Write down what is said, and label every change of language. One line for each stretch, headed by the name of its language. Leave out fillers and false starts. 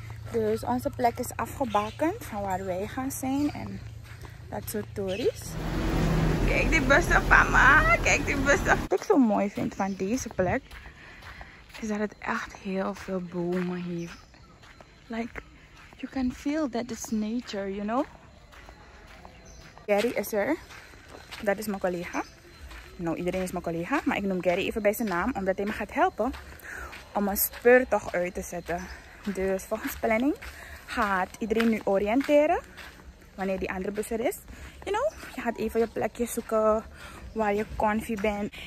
Dutch: Dus onze plek is afgebakend van waar wij gaan zijn. En dat soort tories. Kijk die bussen van me. Kijk die bussen. Wat ik zo mooi vind van deze plek. Is dat het echt heel veel bomen heeft.
English: Like, you can feel that it's nature, you know.
Dutch: Gary is er. Dat is mijn collega. Nou, iedereen is mijn collega, maar ik noem Gary even bij zijn naam, omdat hij me gaat helpen om een spur toch uit te zetten. Dus volgens planning gaat iedereen nu oriënteren wanneer die andere bus er is. You know, je gaat even je plekje zoeken waar je comfy bent.